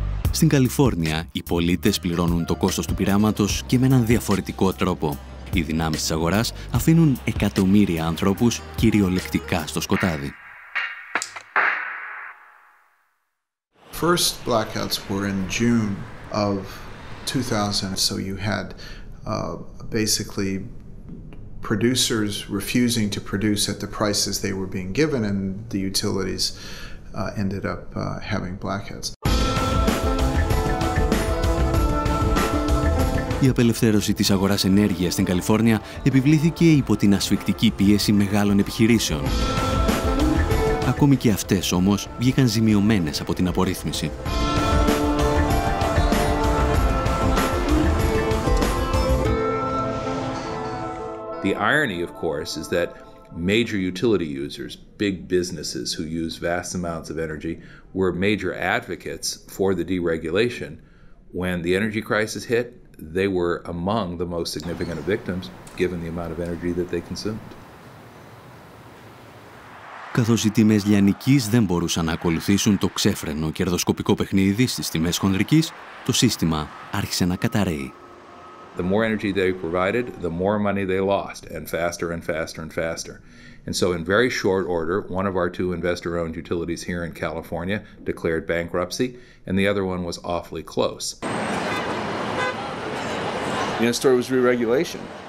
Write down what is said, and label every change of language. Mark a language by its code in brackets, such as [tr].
[el] Στην Καλιφόρνια, οι πολίτες πληρώνουν το κόστος του πειράματος και με έναν διαφορετικό τρόπο. Οι δυνάμεις της αγοράς αφήνουν εκατομμύρια ανθρώπους κυριολεκτικά στο σκοτάδι. [en] First blackouts were in June of 2000, so you had basically producers refusing to produce at the prices they were being given, and the utilities ended up having blackouts. [el] Η απελευθέρωση της αγοράς ενέργειας στην Καλιφόρνια επιβλήθηκε υπό την ασφυκτική πίεση μεγάλων επιχειρήσεων. Ακόμη και αυτές, όμως, βγήκαν ζημιωμένες από την απορρίθμιση. [en] The irony, of course, is that major utility users, big businesses who use vast amounts of energy, were major advocates for the deregulation. When the energy crisis hit, they were among the most significant victims, given the amount of energy that they consumed. [el] Καθώς οι τιμές λιανικής δεν μπορούσαν να ακολουθήσουν το ξέφρενο κερδοσκοπικό παιχνίδι στις τιμές χονδρικής, το σύστημα άρχισε να καταραίει. [en] The more energy they provided, the more money they lost, and faster and faster and faster. And so in very short order, one of our two investor-owned utilities here in California declared bankruptcy, and the other one was awfully close. The end story was re-regulation.